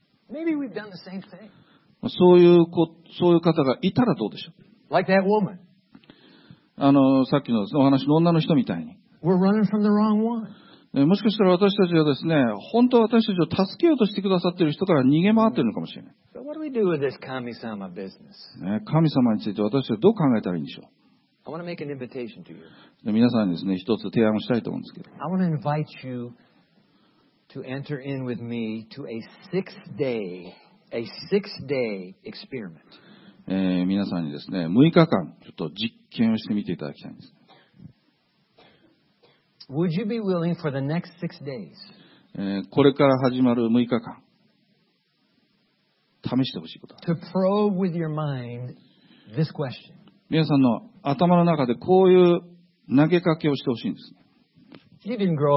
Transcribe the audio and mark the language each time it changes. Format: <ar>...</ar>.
<en>Maybe we've done the same thing.</en> <ja>そういう子、そういう方がいたらどうでしょう。</ja> <en>Like that woman.</en> <ja>さっきのお話の女の人みたいに。</ja> <en>We're running from the wrong one.</en> <ja>もしかしたら私たちはですね、本当は私たちを助けようとしてくださっている人から逃げ回っているのかもしれない。</ja> <en>So what do we do with this 神様 business?</en> <ja>ね、神様について私たちはどう考えたらいいんでしょう。</ja> <en>I want to make an invitation to you.</en> <ja>皆さんにですね、一つ提案をしたいと思うんですけど。</ja> <en>I want to invite you to enter in with me to a six-day, a six-day experiment.</en> <ja>皆さんにですね、6日間ちょっと実験をしてみていただきたいんです。</ja> <en>Would you be willing for the next six days?</en> <ja>これから始まる6日間、試してほしいこと。</ja> <en>To probe with your mind this question.</en> <ja>皆さんの頭の中でこういう投げかけをしてほしいんです。</ja>